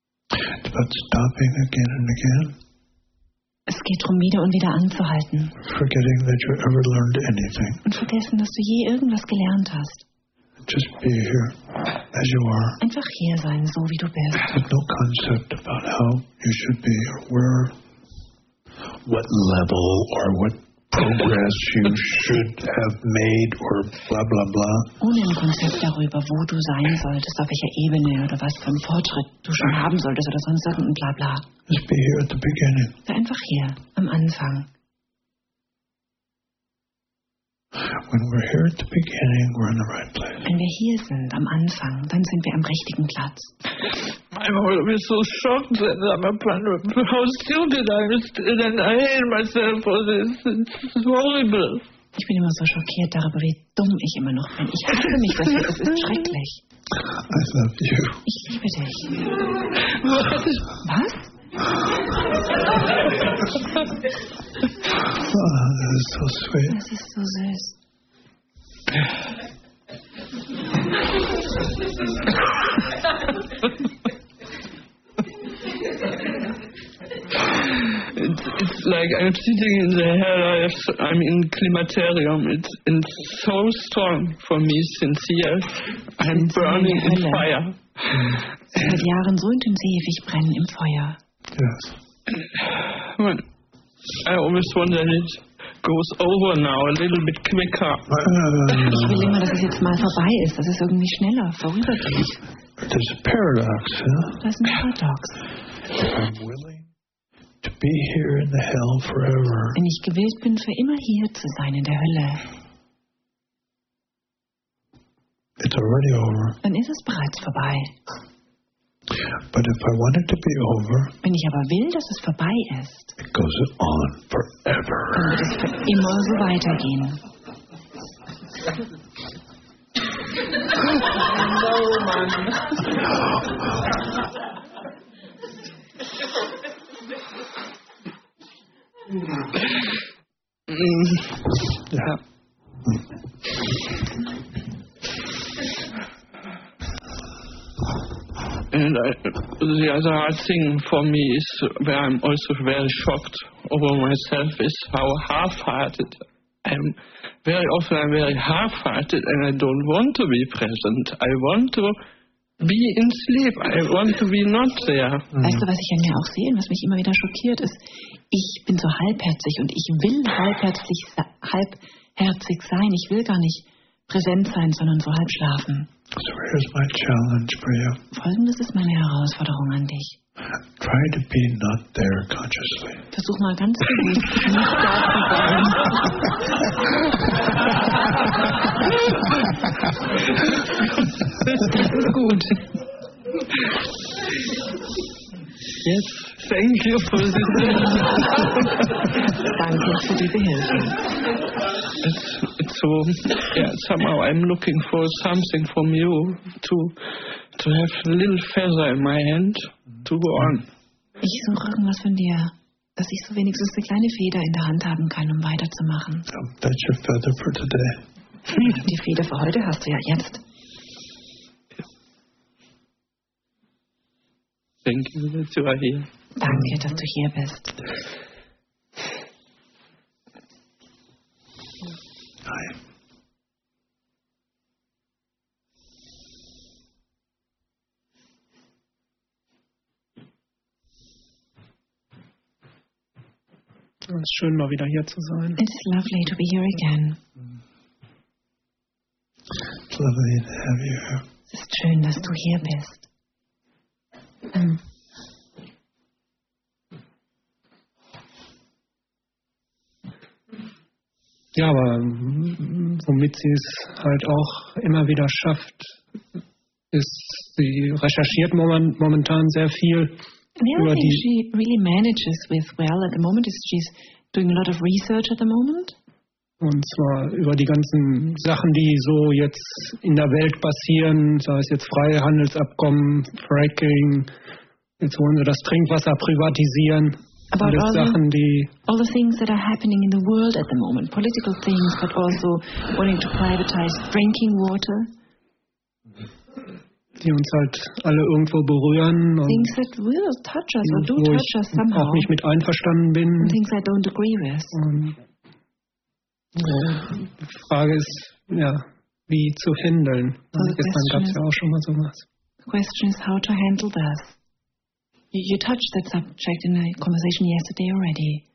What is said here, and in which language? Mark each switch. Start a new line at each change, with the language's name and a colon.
English: It's about stopping again and again.
German: Es geht darum, wieder und wieder anzuhalten.
English: Forgetting that you ever learned anything.
German: Und vergessen, dass du je irgendwas gelernt hast.
English: Just be here, as you are.
German: Einfach hier sein, so wie du bist.
English: There's no concept about how you should be or where, what level or what progress you should have made or blah blah blah.
German: Ohne ein Konzept darüber, wo du sein solltest, auf welcher Ebene oder was für einen Fortschritt du schon haben solltest oder sonst irgendein bla bla.
English: Just be here at the beginning.
German: Sei einfach hier, am Anfang.
English: When we're here at the beginning, we're in the right place.
German: Wenn wir hier sind, am Anfang, dann sind wir am richtigen Platz.
English: I'm always so shocked that I'm a panda. How stupid I am, and I hate myself for this. It's horrible.
German: Ich bin immer so schockiert darüber, wie dumm ich immer noch bin. Ich hasse mich dafür. Das ist schrecklich.
English: I love you.
German: Ich liebe dich. Was?
English: Oh, that is so sweet.
German: Das ist so süß.
English: It's like I'm sitting in the hell. I'm in climaterium. It's so strong for me since years. I'm burning in fire.
German: Seit Jahren so intensiv, ich brenne im Feuer.
English: Yes. I always wonder it goes over now a little bit quicker.
German: Ich will immer, dass es jetzt mal vorbei ist, dass es irgendwie schneller vorübergeht.
English: There's a paradox, huh?
German: Das ist ein Paradox.
English: I'm willing to be here in the hell forever.
German: Wenn ich gewillt bin, für immer hier zu sein in der Hölle.
English: It's already over.
German: Dann ist es bereits vorbei.
English: But if I want it to be over,
German: wenn ich aber will, dass es vorbei ist,
English: it goes on forever.
German: Dann wird es für immer so weitergehen.
English: No, man.
German: Ja.
English: And the other hard thing for me is where I'm also very shocked over myself is how half-hearted I'm. Very often I'm very half-hearted and I don't want to be present. I want to be in sleep. I want to be not there.
German: Weißt du, was ich an mir auch sehe und was mich immer wieder schockiert ist? Ich bin so halbherzig und ich will halbherzig sein. Ich will gar nicht präsent sein, sondern so halb schlafen.
English: So here's my challenge for you.
German: Folgendes ist meine Herausforderung an dich.
English: Try to be not there consciously.
German: Versuch mal ganz bewusst nicht da zu sein. Das ist gut.
English: Yes, thank you for this.
German: Danke für diese Hilfe.
English: it's so, yeah, somehow I'm looking for something from you to have a little feather in my hand to go on.
German: Ich suche irgendwas von dir, dass ich so wenigstens eine kleine Feder in der Hand haben kann, um weiterzumachen.
English: That's your feather for today.
German: Die Feder für heute hast du ja jetzt.
English: Thank you that you are here.
German: Danke, dass du hier bist.
English: Hi.
German: Es ist schön, mal wieder hier zu sein.
English: It's lovely to be here again. It's lovely to have you here. Es ist schön, dass du hier bist.
German: Ja, aber womit sie es halt auch immer wieder schafft, ist, sie recherchiert momentan sehr viel.
English: The other thing she really manages with well at the moment is she's doing a lot of research at the moment.
German: Und zwar über die ganzen Sachen, die so jetzt in der Welt passieren, sei es jetzt Freihandelsabkommen, Fracking, jetzt wollen sie das Trinkwasser privatisieren.
English: About all,
German: Sachen,
English: the, all the things that are happening in the world at the moment, political things, but also wanting to privatize drinking water.
German: Die uns halt alle irgendwo berühren. Und
English: things that will touch us or do touch us somehow.
German: Auch nicht mit einverstanden bin.
English: And things I don't agree with.
German: Und die Frage ist, ja, wie zu handeln.
English: So
German: gestern gab es ja auch schon mal sowas.
English: The question is how to handle this. You touched that subject in a conversation yesterday already.